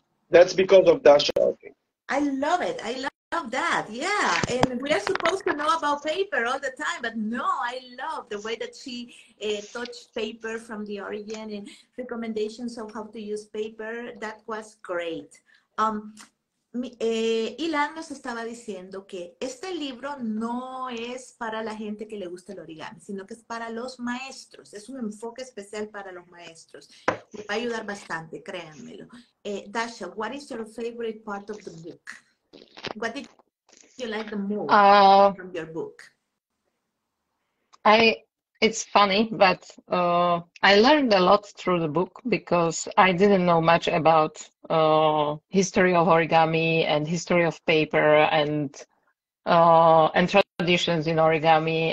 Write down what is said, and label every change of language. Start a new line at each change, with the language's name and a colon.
English: That's because of Dasha, I think. I love that, yeah. And we are supposed to know about paper all the time, but no, I love the way that she touched paper from the origin and recommendations of how to use paper. That was great.
Spanish: Ilan nos estaba diciendo que este libro no es para la gente que le gusta el origami, sino que es para los maestros. Es un enfoque especial para los maestros. Va a ayudar bastante, créanmelo.
English: Dasha, what is your favorite part of the book? What did you like the most from your book? It's funny, but I learned a lot through the book because I didn't know much about history of origami and history of paper and traditions in origami.